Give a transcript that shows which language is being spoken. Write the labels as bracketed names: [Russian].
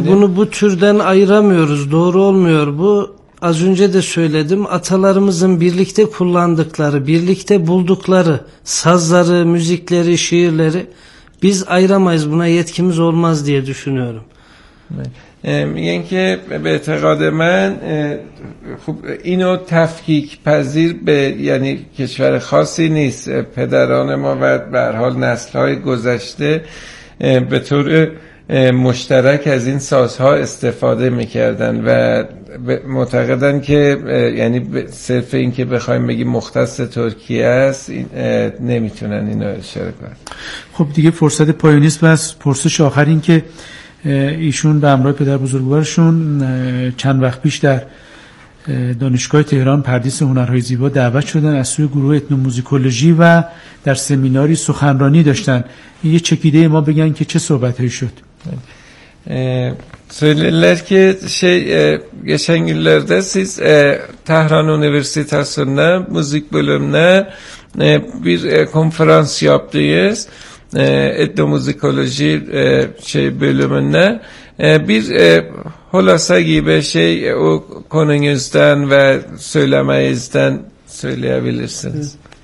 [Turkish] İşte bunu bu türden ayıramıyoruz. Doğru olmuyor bu. Az önce de söyledim. Atalarımızın birlikte kullandıkları, birlikte buldukları sazları, müzikleri, şiirleri biz ayıramayız. Buna yetkimiz olmaz diye düşünüyorum. [Persian] میگن که به اعتقاد من خب اینو تفکیک پذیر به یعنی کشور خاصی نیست. پدران ما و به هر حال نسل‌های گذشته به طور مشترک از این سازها استفاده میکردن و معتقدن که یعنی صرف این که بخوایم بگیم مختص ترکیه است نمیتونن اینو اشاره کنن. خب دیگه فرصت پایونیست بس. پرسش آخر این که ایشون به همراه پدر بزرگوارشون چند وقت پیش در دانشگاه تهران پردیس هنرهای زیبا دعوت شدن از سوی گروه اتنوموزیکولوژی و در سمیناری سخنرانی داشتن، یه چکیده ما بگن که چه صحبتی شد. [Turkish] Söylediler ki geçen günlerde siz Tahran Üniversitesi'nde müzik bölümüne bir konferans yaptınız. Etnomüzikoloji bölümünde bir hulasa gibi şey o konunuzdan ve söylemenizden söyleyebilirsiniz.